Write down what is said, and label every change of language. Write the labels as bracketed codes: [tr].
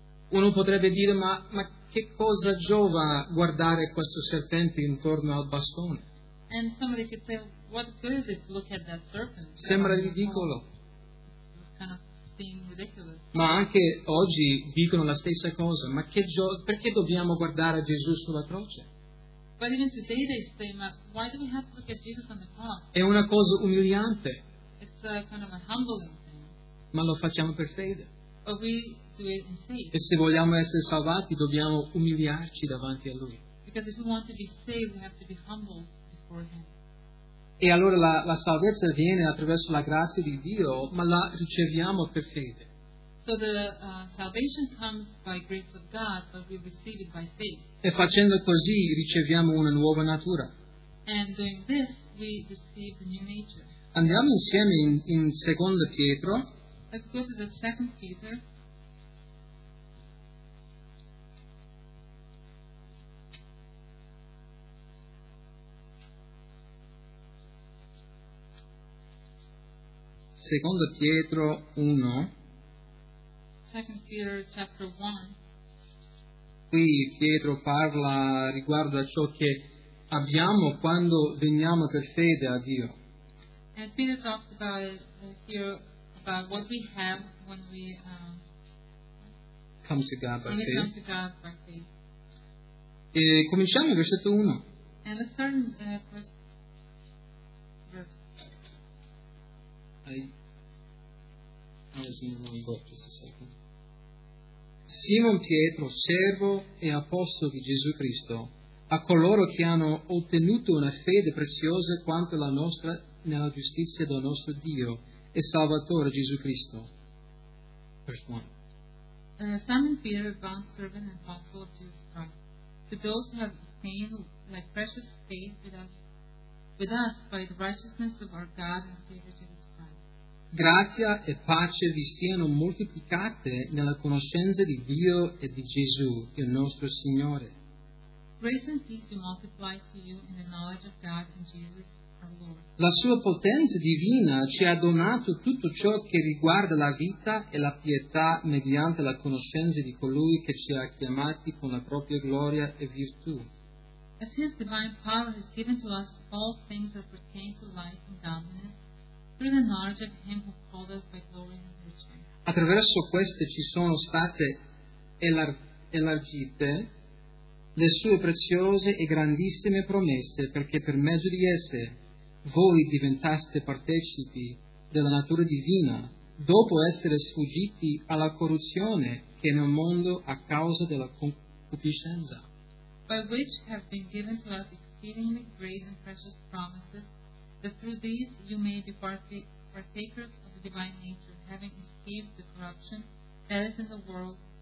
[it] Uno potrebbe dire, ma che cosa giova guardare questo serpente intorno al bastone? [en] And somebody could say, what good is it to look at that serpent? [it] Sembra ridicolo. [en] Kind of seem ridiculous. [it] Ma anche oggi dicono la stessa cosa. Ma che perché dobbiamo guardare Gesù sulla croce? [en] But even today they say, why do we have to look at Jesus on the cross? [it] È una cosa umiliante. [en] It's a kind of a humbling thing. [it] Ma lo facciamo per fede. [en] But we do it in faith. [it] E se vogliamo essere salvati, dobbiamo umiliarci davanti a Lui. [en] Because if we want to be saved, we have to be humbled before Him. [it] E allora la salvezza viene attraverso la grazia di Dio, ma la riceviamo per fede. [en] So the salvation comes by grace of God, but we receive it by faith. [it] E facendo così riceviamo una nuova natura. [en] And doing this, we receive a new nature. [it] Andiamo insieme in Secondo Pietro. [en] Let's go to the second Peter. Chapter [it] Segundo Pietro 1. [en] Second Peter chapter 1. [it] Qui Pietro parla riguardo a ciò che abbiamo quando veniamo per fede a Dio. [en] And Peter talks about here about what we have when we come to God by faith. Come to God by faith. E cominciamo il versetto 1. And the third verse. I was in the wrong book just a second. [it] Simon Pietro, servo e apostolo di Gesù Cristo, a coloro che hanno ottenuto una fede preziosa quanto la nostra nella giustizia del nostro Dio e Salvatore Gesù Cristo. [en] Verse 1. Simon Peter, bond servant and apostle of Jesus Christ, to those who have obtained like precious faith with us by the righteousness of our God and Savior Jesus Christ. [it] Grazia e pace vi siano moltiplicate nella conoscenza di Dio e di Gesù, il nostro Signore. [en] Grace and peace be multiplied to you in the knowledge of God and Jesus our Lord. [it] La sua potenza divina ci ha donato tutto ciò che riguarda la vita e la pietà mediante la conoscenza di colui che ci ha chiamati con la propria gloria e virtù. [en] As his divine power has given to us all things that pertain to life and godliness through the knowledge of him who called us by glory and virtue. [it] Attraverso queste ci sono state elargite le sue preziose e grandissime promesse, perché per mezzo di esse voi diventaste partecipi della natura divina, dopo essere sfuggiti alla corruzione che è nel mondo a causa della concupiscenza. [en] By which have been given to us exceedingly great and precious promises, that through these you may be partakers of the divine nature, having escaped the corruption that is in the world.